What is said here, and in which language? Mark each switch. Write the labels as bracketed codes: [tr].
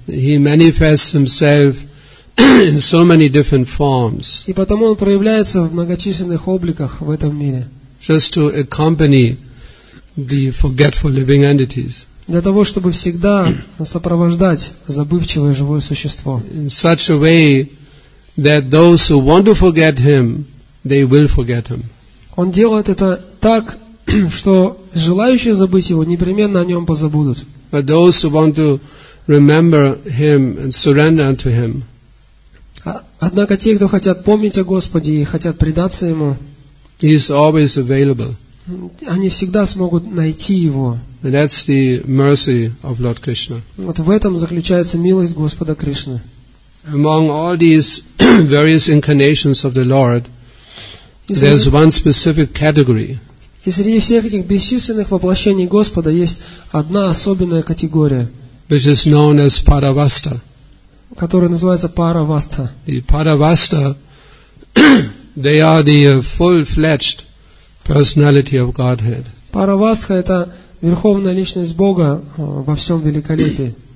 [en] He manifests himself in so many different forms. [ru] И потому он проявляется в многочисленных обликах в этом мире. [en] Just to accompany the forgetful living entities. [ru] Для того, чтобы всегда сопровождать забывчивое живое существо. [en] In such a way that those who want to forget him, they will forget him. [ru] Он делает это так, что желающие забыть его непременно о нем позабудут. [en] But those who want to remember him and surrender unto him. [ru] Однако те, кто хотят помнить о Господе и хотят предаться ему, [en] he is always available. [ru] Они всегда смогут найти его. [en] And that's the mercy of Lord Krishna. [ru] Вот в этом заключается милость Господа Кришны. [en] Among all these various incarnations of the Lord, there's one specific category. [ru] И среди всех этих бесчисленных воплощений Господа есть одна особенная категория, [en] which is known as Paravasta, [ru] которая называется Paravasta. [en] The Paravasta, they are the full-fledged personality of Godhead. [ru] Paravasta – это верховная личность Бога во всем великолепии.